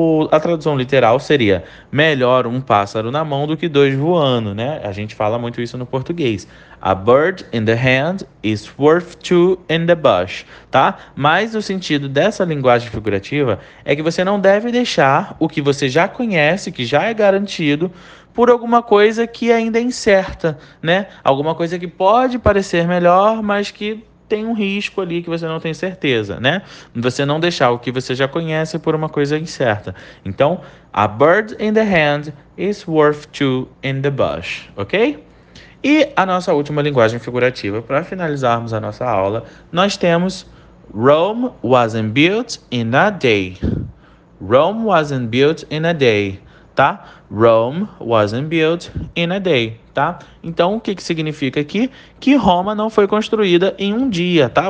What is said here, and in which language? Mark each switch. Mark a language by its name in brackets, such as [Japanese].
[Portuguese] A tradução literal seria melhor um pássaro na mão do que dois voando, né? A gente fala muito isso no português. [English] A bird in the hand is worth two in the bush, tá? [Portuguese] Mas o sentido dessa linguagem figurativa é que você não deve deixar o que você já conhece, que já é garantido, por alguma coisa que ainda é incerta, né? Alguma coisa que pode parecer melhor, mas que tem um risco ali que você não tem certeza, né? Você não deixar o que você já conhece por uma coisa incerta. [English] Então, a bird in the hand is worth two in the bush, ok? [Portuguese] E a nossa última linguagem figurativa, para finalizarmos a nossa aula, nós temos [English] Rome wasn't built in a day. Rome wasn't built in a day, tá? Rome wasn't built in a day, tá? [Portuguese] Então, o que significa aqui? Que Roma não foi construída em um dia, tá?